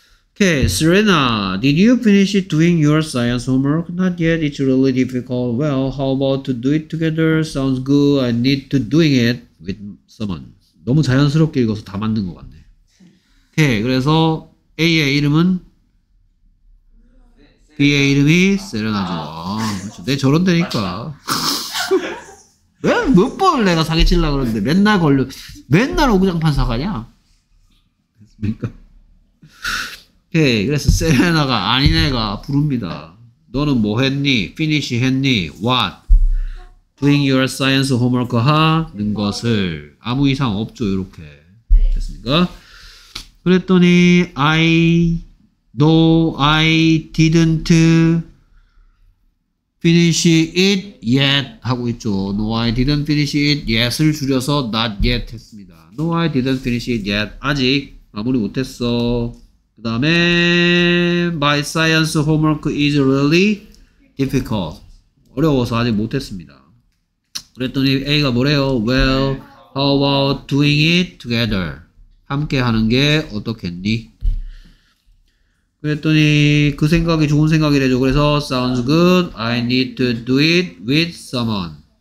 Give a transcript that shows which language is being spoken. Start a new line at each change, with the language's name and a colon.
English: Okay, Serena, did you finish doing your science homework? Not yet, it's really difficult. Well, how about to do it together? Sounds good, I need to doing it with someone.
Korean: 너무 자연스럽게 읽어서 다 맞는 것 같네. Okay, 그래서 A의 이름은? B의 이름이 Serena죠. 아, 그렇죠. 내 저런 데니까. 왜? 몇 번을 내가 사기치려고 그러는데 맨날 걸려. 맨날 오구장판 사가냐? 됐습니까? 오케이, 그래서 세레나가 아닌 애가 부릅니다. 너는 뭐 했니? Finish 했니? What?
English: Doing your science homework
Korean: 하는 것을. 아무 이상 없죠, 이렇게. 됐습니까? 그랬더니
English: I No, I didn't finish it yet
Korean: 하고 있죠.
English: No, I didn't finish it yet
Korean: 을 줄여서
English: not yet
Korean: 했습니다.
English: No, I didn't finish it yet.
Korean: 아직 마무리 못했어. 그 다음에
English: My science homework is really difficult.
Korean: 어려워서 아직 못했습니다. 그랬더니 A가 뭐래요?
English: Well, how about doing it together?
Korean: 함께 하는 게 어떻겠니? 그랬더니 그 생각이 좋은 생각이래죠. 그래서
English: Sounds good. I need to do it with someone.